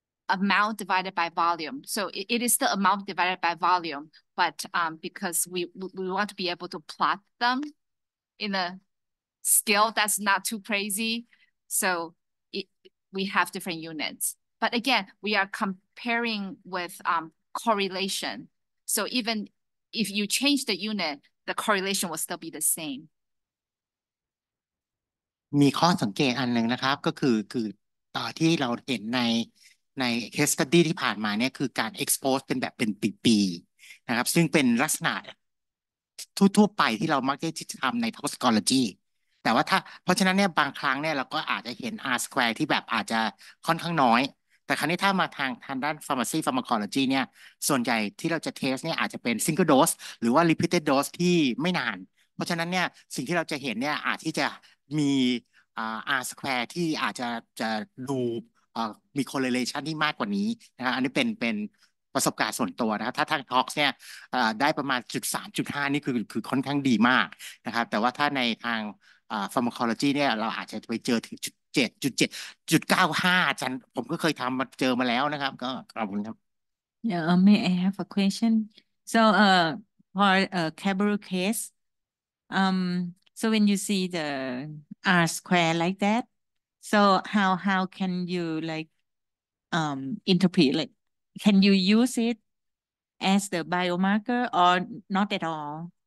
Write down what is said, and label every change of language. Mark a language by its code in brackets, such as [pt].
[en] amount divided by volume. So it is the amount divided by volume, but because we want to be able to plot them in a scale that's not too crazy. So we have different units. But again, we are comparing with correlation. So even if you change the unit, the correlation will still be the same. [th] มีข้อสังเกตอันหนึ่งนะครับก็คือที่เราเห็นในเคสสตี้ที่ผ่านมาเนี่ยคือการ expose เป็นแบบเป็นปีๆนะครับซึ่งเป็นลักษณะ ทั่วไปที่เรามักจะทำใน toxicology แต่ว่าถ้าเพราะฉะนั้นเนี่ยบางครั้งเนี่ยเราก็อาจจะเห็น R square ที่แบบอาจจะค่อนข้างน้อยแต่คราวนี้ถ้ามาทางด้าน pharmacy pharmacology เนี่ยส่วนใหญ่ที่เราจะ test เนี่ยอาจจะเป็น [en] single dose [th] หรือว่า [en] repeated dose [th] ที่ไม่นานเพราะฉะนั้นเนี่ยสิ่งที่เราจะเห็นเนี่ยอาจที่จะมี R square ที่อาจจะดูมี correlation ที่มากกว่านี้นะครับอันนี้เป็นประสบการณ์ส่วนตัวนะครับถ้าทาง tox เนี่ยได้ประมาณ 0.3-0.5 นี่คือค่อนข้างดีมากนะครับแต่ว่าถ้าในทางpharmacology เนี่ยเราอาจจะไปเจอถึง7.7-7.95อาจารย์ผมก็เคยทำมาเจอมาแล้วนะครับก็ขอบคุณครับ [en] Yeah, may I have a question? So for a cabaret case, so when you see the R square like that, so how can you like interpret, like can you use it as the biomarker or not at all?